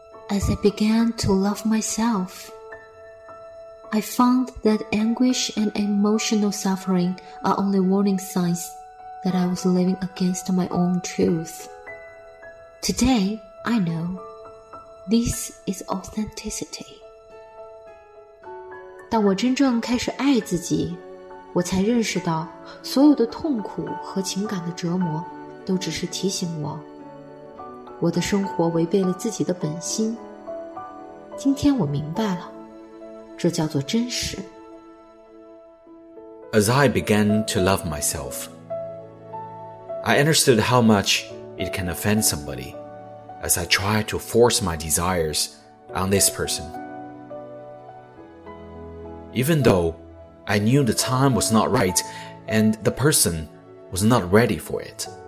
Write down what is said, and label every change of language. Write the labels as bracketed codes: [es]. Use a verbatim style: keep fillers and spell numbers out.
[en] as I began to love myself. I found that anguish and emotional suffering are only warning signs that I was living against my own truth. Today, I know this is authenticity. [zh] 当我真正开始爱自己，我才认识到，所有的痛苦和情感的折磨都只是提醒我，我的生活违背了自己的本心。今天我明白了，这叫做真实。 [en] As I began to love myself, I understood how much it can offend somebody as I tried to force my desires on this person. Even though I knew the time was not right and the person was not ready for it.